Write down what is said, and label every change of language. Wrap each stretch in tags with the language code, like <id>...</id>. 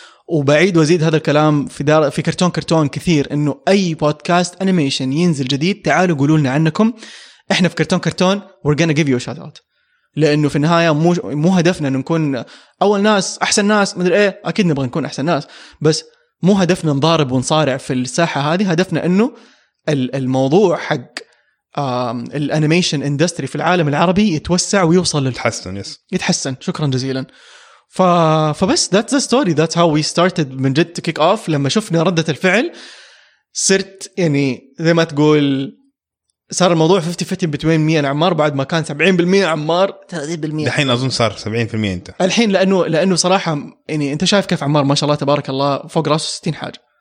<ar>وبعيد وازيد هذا الكلام في دار في كرتون كرتون كثير، انه اي بودكاست انيميشن ينزل جديد تعالوا قولوا لنا عنكم، احنا في كرتون كرتون</ar> <en>we're gonna give you a shout out،</en> <ar>لانه في النهايه مو هدفنا ان نكون اول ناس احسن ناس ما ادري ايه، اكيد نبغى نكون احسن ناس، بس مو هدفنا نضارب ونصارع في الساحه هذه، هدفنا انه الموضوع حق الانيميشن اندستري في العالم العربي يتوسع ويوصل للتحسن. يس يتحسن. شكرا جزيلا. فبس</ar> <en>that's the story, that's how we started</en> <ar>من جد</ar> <en>to kick off.</en> <ar>لما شفنا ردة الفعل صرت يعني زي ما تقول صار الموضوع 50-50 بين مين عمار، بعد ما كان 70% عمار 30% الحين أظن صار 70% أنت الحين، لأنه صراحة يعني أنت شايف كيف عمار ما شاء الله تبارك الله فوق راسه 60 حاجة</ar>